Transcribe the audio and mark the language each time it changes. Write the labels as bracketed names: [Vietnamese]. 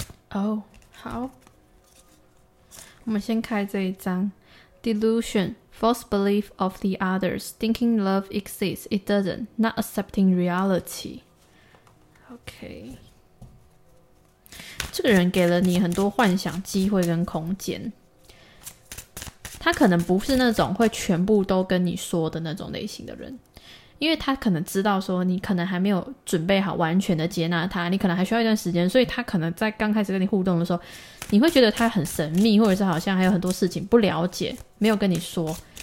[Chinese] 哦、oh, 好，我们先开这一张。 [English] Delusion, false belief of the others, thinking love exists, it doesn't, not accepting reality. [Chinese] OK, 这个人给了你很多幻想机会跟空间，他可能不是那种会全部都跟你说的那种类型的人，因为他可能知道说你可能还没有准备好完全的接纳他，你可能还需要一段时间，所以他可能在刚开始跟你互动的时候你会觉得他很神秘，或者是好像还有很多事情不了解没有跟你说，